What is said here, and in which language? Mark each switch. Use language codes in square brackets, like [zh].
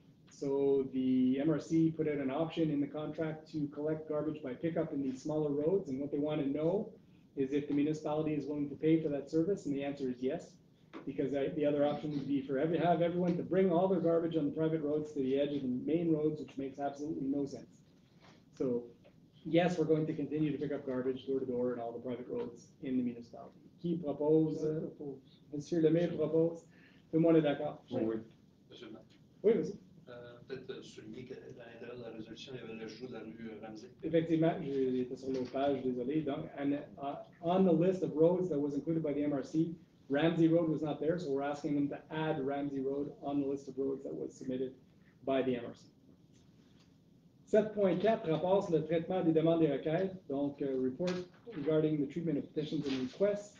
[en] So the MRC put out an option in the contract to collect garbage by pickup in these smaller roads, and what they want to know is if the municipality is willing to pay for that service, and the answer is yes, because the other option would be for everyone to bring all their garbage on the private roads to the edge of the main roads, which makes absolutely no sense. So, yes, we're going to continue to pick up garbage door to door in all the private roads in the municipality. [fr] Qui propose? Monsieur Lemay propose. Tout le monde est d'accord? Oui. Monsieur Matt. Oui, vas-y. Peut-être souligner qu'à l'intérieur de la résolution, il y avait l'ajout de la rue Ramsey. Effectivement, j'étais sur nos pages, désolé. [en] Donc, on the list of roads that was included by the MRC, Ramsey Road was not there, so we're asking them to add Ramsey Road on the list of roads that was submitted by the MRC. [fr] 7.4, rapport sur le traitement des demandes et requêtes. [en] Donc, report regarding the treatment of petitions and requests.